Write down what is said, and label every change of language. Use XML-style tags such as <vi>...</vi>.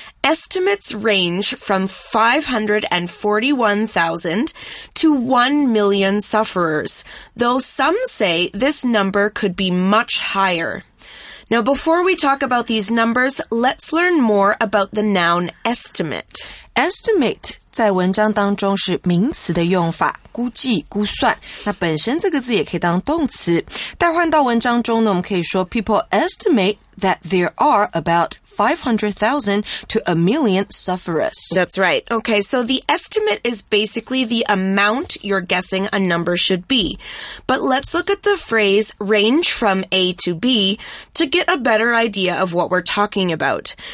<en>Estimates range from 541,000 to 1 million sufferers, though some say this number could be much higher. Now, before we talk about these numbers, let's learn more about the noun estimate. Estimate</en> <zh>在文章当中是名词的用法，估计、估算。那本身这个字也可以当动词。代换到文章中呢，我们可以说</zh> <en>People estimate that there are about 500,000 to a million sufferers. That's right. Okay, so the estimate is basically the amount you're guessing a number should be. But let's look at the phrase range from A to B to get a better idea of what we're talking about.</en>